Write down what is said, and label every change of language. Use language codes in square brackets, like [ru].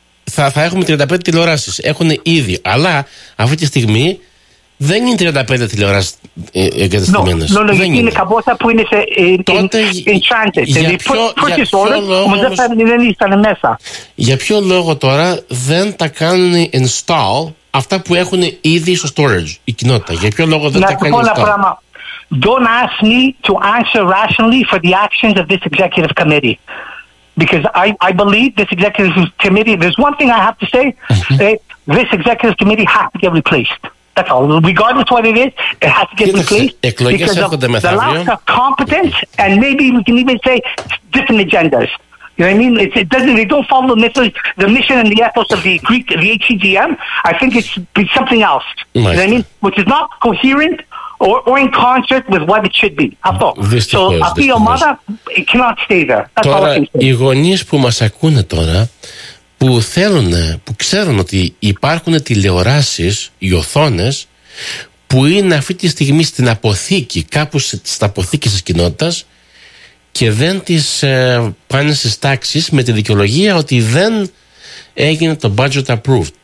[el] Θα έχουμε 35 τηλεοράσεις. Έχουν ήδη. Αλλά αυτή τη στιγμή δεν είναι 35 τηλεοράσεις εγκατεστημένες. Είναι καμπόσα που είναι σε enchanted. Για ποιο λόγο τώρα δεν τα κάνουν install αυτά που έχουν ήδη στο storage, η κοινότητα? Για ποιο λόγο δεν τα κάνει αυτά? [en] Don't ask me to answer rationally for the actions of this executive committee. Because I believe this executive committee, there's one thing I have to say, this executive committee has to get replaced. That's all. Regardless of what it is, it has to get replaced. [el] Εκλογές έρχονται μεθαύριο. [en] Because of the lack of competence, and maybe we can even say different agendas. You know what I mean? They don't follow the mission and the ethos of the HEGM. I think it's something else. You know what I mean? Which is not coherent or in concert with what it should be. [el] Δυστυχώς. [en] So, [el] αυτή η ομάδα, [en] it cannot stay there. That's [el] τώρα, [en] all I can say. [el] Οι γονείς που μας ακούνε τώρα, που θέλουν, που ξέρουν ότι υπάρχουν τηλεοράσεις, οι οθόνες, που είναι αυτή τη στιγμή στην αποθήκη, κάπου στην αποθήκη της κοινότητας, και δεν τις πάνε στις τάξεις με τη δικαιολογία ότι δεν έγινε το budget approved.